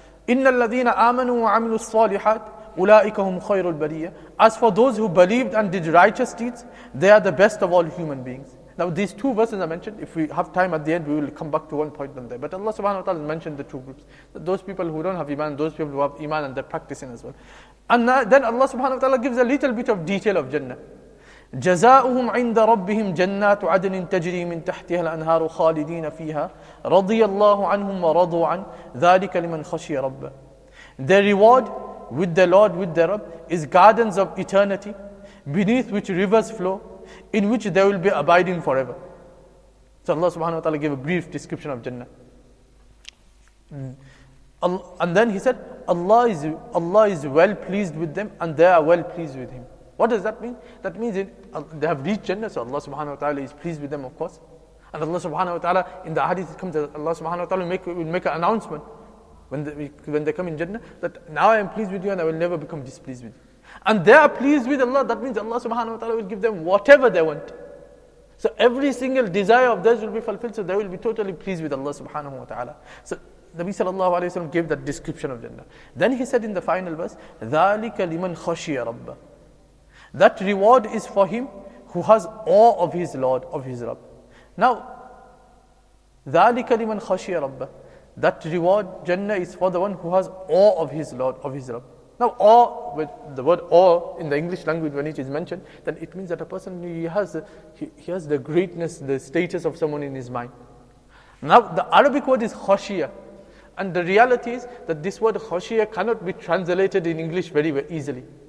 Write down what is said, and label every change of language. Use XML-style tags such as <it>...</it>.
<ar>إن الذين آمنوا وعملوا الصالحات أولئك هم خير البرية.</ar> <en>As for those who believed and did righteous deeds, they are the best of all human beings. Now these two verses I mentioned, if we have time at the end, we will come back to one point on there. But Allah subhanahu wa ta'ala has mentioned the two groups. Those people who don't have iman, those people who have iman and they're practicing as well. And then Allah subhanahu wa ta'ala gives a little bit of detail of Jannah.</en> <ar>جزاؤهم عند ربهم جنات عدن تجري من تحتها الأنهار خالدين فيها رضي الله عنهم ورضوا عن ذلك لمن خشي ربه.</ar> <en>Their reward with the Lord, with the Rabb, is gardens of eternity. beneath which rivers flow, in which they will be abiding forever. So Allah subhanahu wa ta'ala gave a brief description of Jannah. And then he said, Allah is well pleased with them and they are well pleased with Him. What does that mean? That means they have reached Jannah, so Allah subhanahu wa ta'ala is pleased with them, of course. And Allah subhanahu wa ta'ala, in the hadith it comes, Allah subhanahu wa ta'ala will make an announcement when they come in Jannah, that now I am pleased with you and I will never become displeased with you. And they are pleased with Allah, that means Allah subhanahu wa ta'ala will give them whatever they want. So every single desire of theirs will be fulfilled, so they will be totally pleased with Allah subhanahu wa ta'ala. So Nabi sallallahu alayhi wa sallam gave that description of Jannah. Then he said in the final verse,</en> <ar>ذَلِكَ لِمَنْ خَشِيَ رَبَّهُ.</ar> <en>That reward is for him who has awe of his Lord, of his Rabb.</en> <ar>Now, ذَلِكَ لِمَنْ خَشِيَ رَبَّهُ.</ar> <en>That reward, Jannah, is for the one who has awe of his Lord, of his Rabb. Now, awe, with the word awe in the English language, when it is mentioned, then it means that a person, he has the greatness, the status of someone in his mind. Now, the Arabic word is khashiyah. And the reality is that this word khashiyah cannot be translated in English very easily.</en>